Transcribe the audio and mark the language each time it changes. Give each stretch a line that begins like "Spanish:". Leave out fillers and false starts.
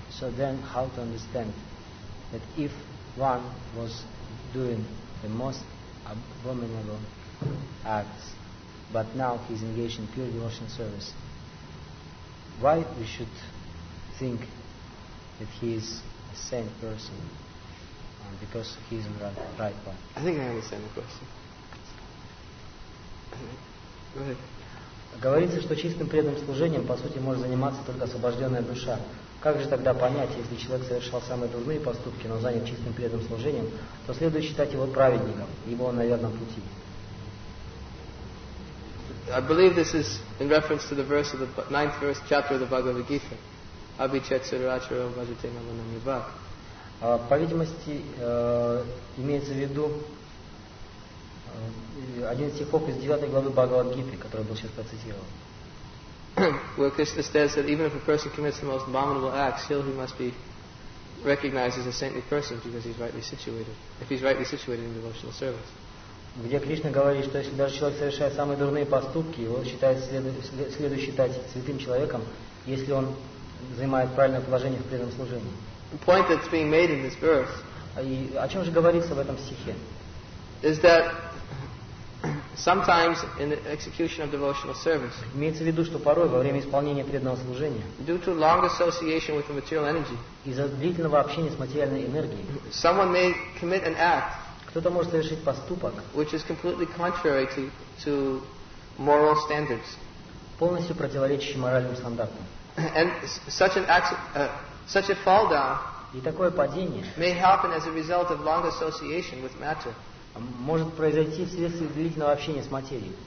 English: So then how to understand that if one was doing the most abominable acts, but now he's engaged in pure devotional service, why we should think that he is a saint person because he is on the right path? I think I understand the question. Go ahead.
Russian: Говорится, что чистым преданным служением по сути может заниматься только освобожденная душа. Как же тогда понять, если человек совершал самые дурные поступки, но занят чистым преданным служением, то следует считать его праведником, ибо он на верном пути.
English: I believe this is in reference to the verse of the 9th verse chapter of the Bhagavad Gita. Abhichet sarvacharam bhajate mamanam vibhak.
Russian: По видимости, имеется в виду один из стихов из 9 главы Бхагавад Гиты, который был сейчас процитирован.
English: Where Krishna says that even if a person commits the most abominable acts, still he must be recognized as a saintly person because he's rightly situated. If he's rightly situated in devotional service.
Russian: Где Кришна говорит, что если даже человек совершает самые дурные поступки, его следует считать святым человеком, если он занимает правильное положение в преданном служении.
English: The point that's being made in this verse.
Russian: И о чем же говорится в этом стихе?
English: Is that sometimes in the execution of devotional service.
Russian: Имеется в виду, что порой во время исполнения преданного служения.
English: Due to long association with the material energy.
Russian: Из-за длительного общения с материальной энергией.
English: Someone may commit an act.
Russian: Кто-то может совершить поступок,
English: which is completely contrary to moral standards.
Russian: Полностью противоречащий моральным стандартам.
English: And such an act, such a fall down,
Russian: и такое падение,
English: may happen as a result of long association with matter.
Russian: Может произойти вследствие длительного общения с материей.